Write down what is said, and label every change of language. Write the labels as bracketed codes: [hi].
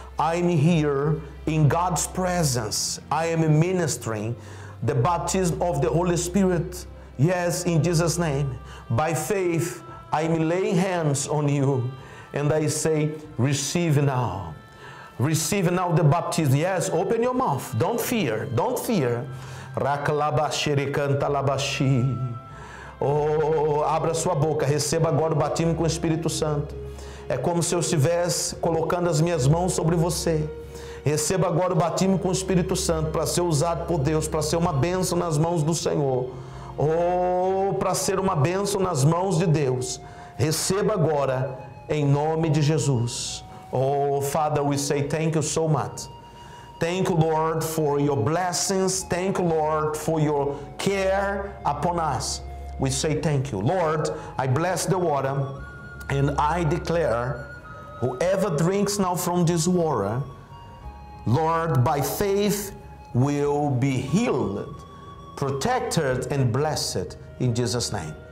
[en] I'm here in God's presence. I am ministering the baptism of the Holy Spirit. Yes, in Jesus' name. By faith, I'm laying hands on you. And I say, receive now. Receive now the baptism. Yes, open your mouth. Don't fear. Don't fear. Raklabashiri kantalabashi. [pt] Oh, abra sua boca, receba agora o batismo com o Espírito Santo. É como se eu estivesse colocando as minhas mãos sobre você. Receba agora o batismo com o Espírito Santo para ser usado por Deus, para ser uma bênção nas mãos do Senhor. Oh, para ser uma bênção nas mãos de Deus. Receba agora em nome de Jesus. [en] Oh, Father, we say thank you so much. Thank you, Lord, for your blessings. Thank you, Lord, for your care upon us. We say thank you. Lord, I bless the water and I declare whoever drinks now from this water, Lord, by faith will be healed, protected, and blessed in Jesus' name.